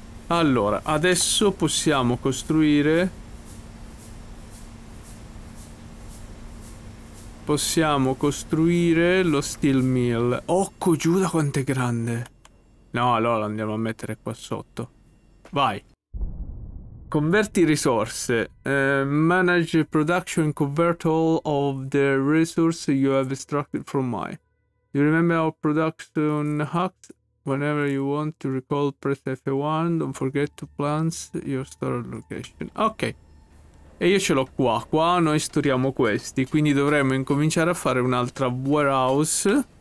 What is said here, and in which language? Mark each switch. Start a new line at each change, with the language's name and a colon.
Italian: Allora, adesso possiamo costruire. Possiamo costruire lo steel mill. Occo Giuda quanto è grande! No, allora andiamo a mettere qua sotto. Vai! Converti risorse.
English: Manage production, convert all of the resources you have extracted from mine. You remember our production hacks? Whenever you want to recall, press F1. Don't forget to plant your store location.
Italian: Ok. E io ce l'ho qua. Qua noi storiamo questi. Quindi dovremmo incominciare a fare un'altra warehouse.